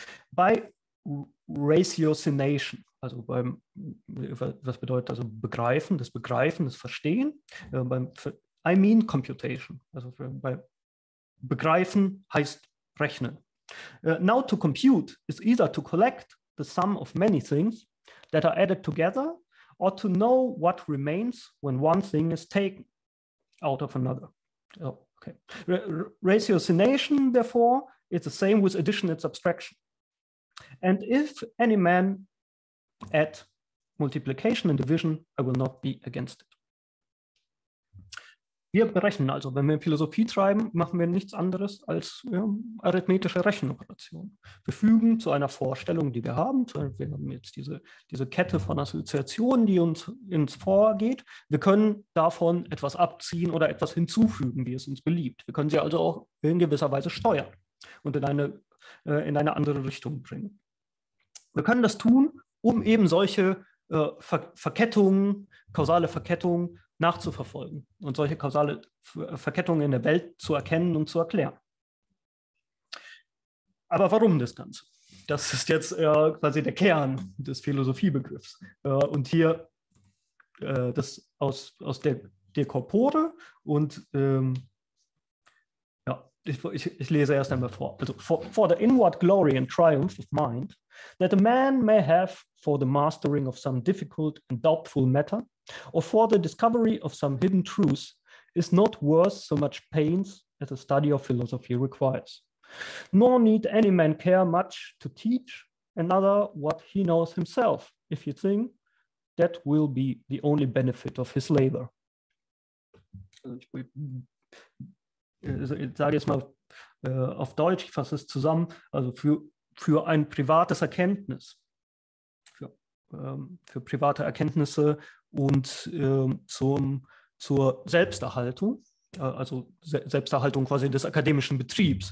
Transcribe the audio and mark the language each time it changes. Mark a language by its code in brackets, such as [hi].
[de] Bei Ratiocination, also beim, was bedeutet also Begreifen, das Begreifen, das Verstehen, [en] I mean Computation, [de] also bei Begreifen heißt Rechnen. [en] Now to compute is either to collect the sum of many things that are added together or to know what remains when one thing is taken out of another. Oh, okay. Ratiocination, therefore, is the same with addition and subtraction. And if any man add multiplication and division, I will not be against it. [de] Wir berechnen also, wenn wir Philosophie treiben, machen wir nichts anderes als arithmetische Rechenoperationen. Wir fügen zu einer Vorstellung, die wir haben, wir haben jetzt diese Kette von Assoziationen, die uns ins Vorgeht. Wir können davon etwas abziehen oder etwas hinzufügen, wie es uns beliebt. Wir können sie also auch in gewisser Weise steuern und in eine andere Richtung bringen. Wir können das tun, um eben solche Verkettungen, kausale Verkettungen nachzuverfolgen und solche kausale Verkettungen in der Welt zu erkennen und zu erklären. Aber warum das Ganze? Das ist jetzt quasi der Kern des Philosophiebegriffs. Und hier das aus der Decorpore und ich lese erst einmal vor. [en] Also, for the inward glory and triumph of mind, that a man may have for the mastering of some difficult and doubtful matter, or for the discovery of some hidden truth, is not worth so much pains as a study of philosophy requires. Nor need any man care much to teach another what he knows himself, if he think that will be the only benefit of his labor. [de] Ich sage jetzt mal auf Deutsch, ich fasse es zusammen, also für ein privates Erkenntnis, für private Erkenntnisse und zur Selbsterhaltung, also Selbsterhaltung quasi des akademischen Betriebs.